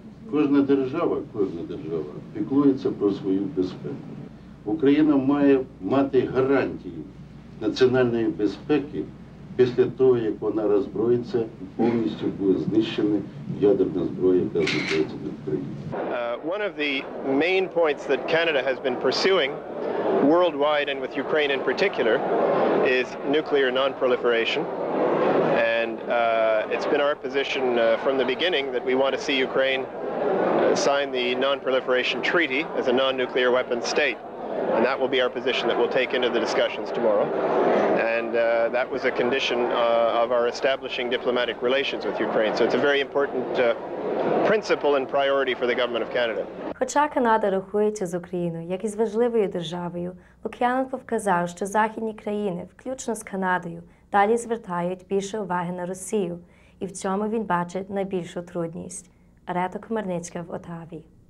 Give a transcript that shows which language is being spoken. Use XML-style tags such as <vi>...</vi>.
<uk>Кожна держава піклується про свою безпеку. Україна має мати гарантії національної безпеки після того, як вона роззброїться і повністю буде знищена ядерна зброя, яка знаходиться в Україні.</uk> <en>One of the main points that Canada has been pursuing worldwide and with Ukraine in particular is nuclear non-proliferation. And it's been our position from the beginning that we want to see Ukraine sign the non-proliferation treaty as a non-nuclear weapons state. And that will be our position that we'll take into the discussions tomorrow. And that was a condition of our establishing diplomatic relations with Ukraine. So it's a very important principle and priority for the government of Canada.</en> <uk>Хоча Канада рахується з Україною як із важливою державою, Лук'яненко вказав, що західні країни, включно з Канадою, далі звертають більше уваги на Росію, і в цьому він бачить найбільшу трудність. Арета Комарницька в Отаві.</uk>